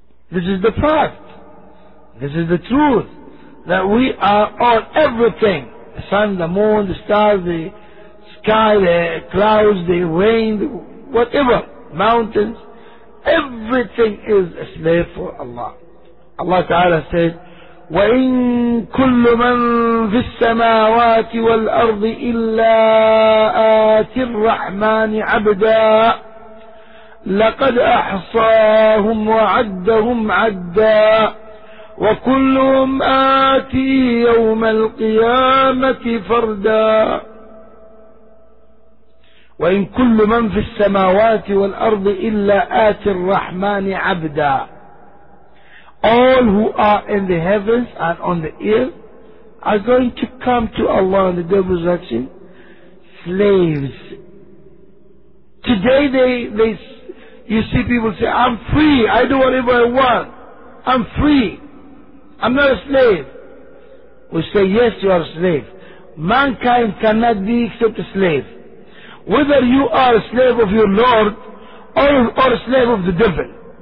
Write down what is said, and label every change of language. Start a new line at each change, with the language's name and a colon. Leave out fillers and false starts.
English: This is the fact. This is the truth. That we are on everything. The sun, the moon, the stars, the sky, the clouds, the rain, whatever, mountains. Everything is a slave for Allah. Allah Ta'ala said,
Arabic: وإن كل من في السماوات والأرض إلا آتي الرحمن عبدا لقد أحصاهم وعدهم عدا وكلهم آتي يوم القيامة فردا وإن كل من في السماوات والأرض إلا آتي الرحمن عبدا
English: All who are in the heavens and on the earth are going to come to Allah in the day of resurrection, slaves. Today they, you see people say, I'm free, I do whatever I want, I'm free, I'm not a slave. We say, yes, you are a slave. Mankind cannot be except a slave. Whether you are a slave of your Lord or a slave of the devil.